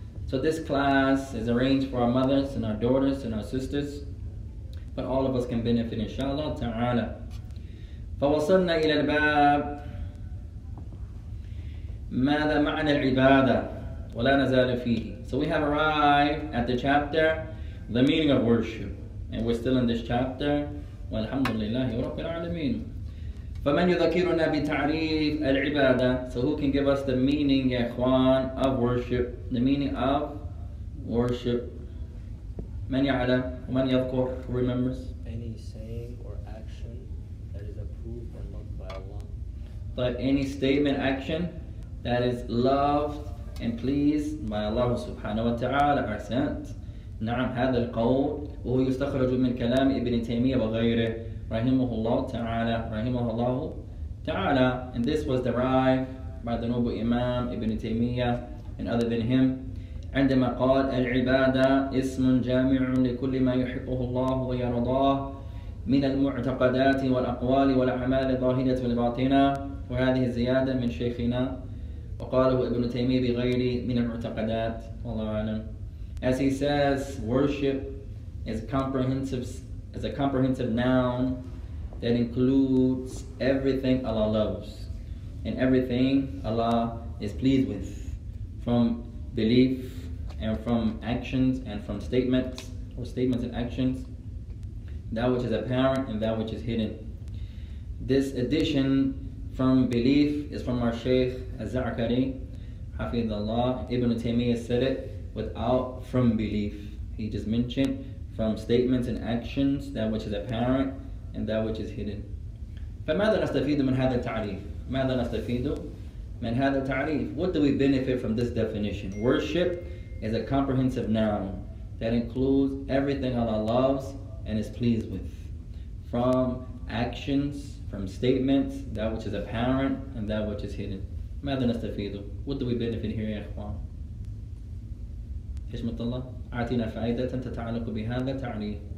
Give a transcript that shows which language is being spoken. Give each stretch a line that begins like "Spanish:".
English: So this class is arranged for our mothers and our daughters and our sisters, but all of us can benefit إِنْ شَاءَ اللَّهُ تَعَالَى.
Arabic: فَوَصَلْنَا إِلَى الْبَابِ ماذا معنى العبادة ولا نزال فيه.
English: So we have arrived at the chapter, the meaning of worship, and we're still in this chapter.
Arabic: والحمد لله رب العالمين. فمن يذكرنا بتعريف العبادة.
English: So who can give us the meaning,
Arabic: يا إخوان,
English: of worship? The meaning of worship.
Arabic: من يعلم ومن يذكر,
English: who remembers? Any saying or action that is approved and loved by Allah. But any statement, action that is loved and pleased by Allah subhanahu wa ta'ala.
Arabic: أحسنت. نعم هذا القول وهو يستخرج من كلام ابن تيمية وغيره رحمه الله تعالى رحمه الله تعالى.
English: And this was derived by the noble Imam ibn Taymiyyah and other than him.
Arabic: عندما قال العبادة اسم جامع لكل ما يحبه الله ويرضاه من المعتقدات والأقوال والأعمال الظاهرة والباطنة. وهذه زيادة من شيخنا وقاله ابن تيمية بغير من المعتقدات والله أعلم.
English: As he says, worship is a comprehensive noun that includes everything Allah loves and everything Allah is pleased with, from belief and from actions and from statements and actions, that which is apparent and that which is hidden. This addition from belief is from our Shaykh Az-Zakari, Hafidhullah. Ibn Taymiyyah said it without from belief. He just mentioned from statements and actions, that which is apparent and that which is hidden.
Arabic: فَمَاذَا نَسْتَفِيدُ مِنْ هَذَا التَّعْرِيفِ مَاذَا نَسْتَفِيدُ مِنْ هَذَا التَّعْرِيفِ.
English: What do we benefit from this definition? Worship is a comprehensive noun that includes everything Allah loves and is pleased with, from actions, from statements, that which is apparent and that which is hidden.
Arabic: ماذا نستفيد؟
English: What do we benefit here,
Arabic: يا إخوان؟ إيش مطلع؟ أعطينا فائدة تتعلق بهذا تعريف.